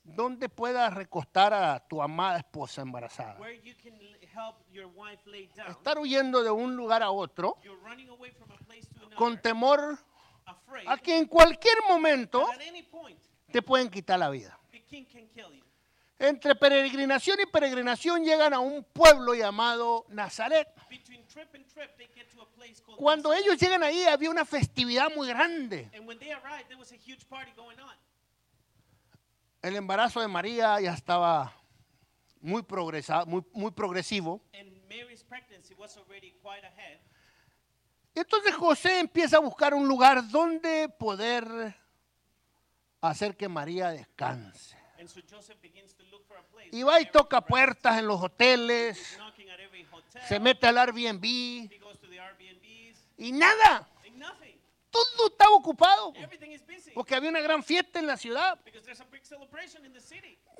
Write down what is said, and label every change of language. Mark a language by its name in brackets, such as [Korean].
[Spanish] donde puedas recostar a tu amada esposa embarazada. [English] Where you can help your wife lay down. [Spanish] Estar huyendo de un lugar a otro. [English] You're running away from a place to another. [Spanish] Con temor [English] afraid [Spanish] a que en cualquier momento [English] at any point [Spanish] te pueden quitar la vida. [English] The king can kill you. [Spanish] Entre peregrinación y peregrinación llegan a un pueblo llamado Nazaret. [English] Between trip and trip, they get to a place called [Spanish] cuando Nazaret. Ellos llegan ahí había una festividad muy grande. [English] And when they arrived, there was a huge party going on. [Spanish] El embarazo de María ya estaba muy progresivo. [English] And Mary's pregnancy was already quite ahead. [Spanish] Entonces José empieza a buscar un lugar donde poder hacer que María descanse. [English] And so Joseph begins to look for a place. [Spanish] Y va y toca puertas en los hoteles. [English] Knocking at every hotel. [Spanish] Se mete al Airbnb. [English] He goes to the Airbnbs. [Spanish] Y nada. [English] And nothing. [Spanish] Todo estaba ocupado. [English] Everything is busy. [Spanish] Porque había una gran fiesta en la ciudad. [English] Because there's a big celebration in the city.